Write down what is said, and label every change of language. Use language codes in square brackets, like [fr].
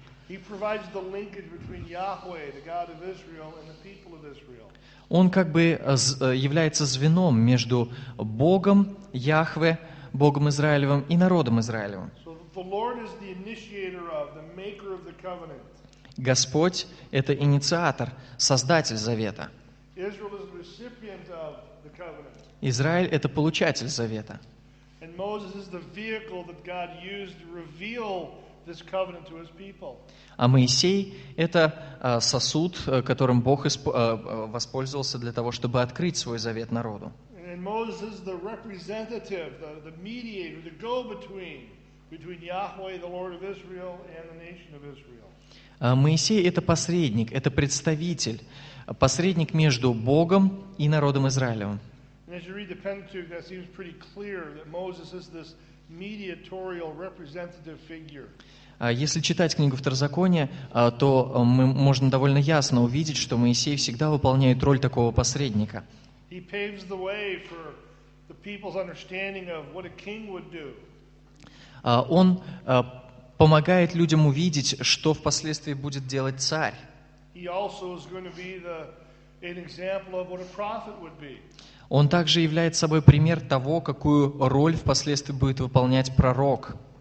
[en] He provides the linkage between Yahweh, the God of Israel, and the people of Israel. [ru] Он как бы является звеном между Богом Яхве, Богом Израилевым и народом Израилевым. [en] So the Lord is the initiator of, the maker of the covenant. [ru] Господь – это инициатор, создатель завета. [en] Israel is the recipient of the covenant. [ru] Израиль – это получатель завета. [en] And Moses is the vehicle that God used to reveal this covenant to his people. [ru] А Моисей — это сосуд, которым Бог воспользовался для того, чтобы открыть свой завет народу. [en] And Moses is the representative, the mediator, the go-between between Yahweh, the Lord of Israel, and the nation of Israel. [ru] А Моисей — это посредник, это представитель, посредник между Богом и народом Израилевым. [en] And as you read the Pentateuch, that seems pretty clear that Moses is this mediatorial representative figure. [ru] Если читать книгу Второзакония, то мы можем довольно ясно увидеть, что Моисей всегда выполняет роль такого посредника. [en] He paves the way for the people's understanding of what a king would do. [ru] Он помогает людям увидеть, что впоследствии будет делать царь. [en] He also is going to be an example of what a prophet would be. [ru] Он также является собой пример того, какую роль впоследствии будет выполнять пророк.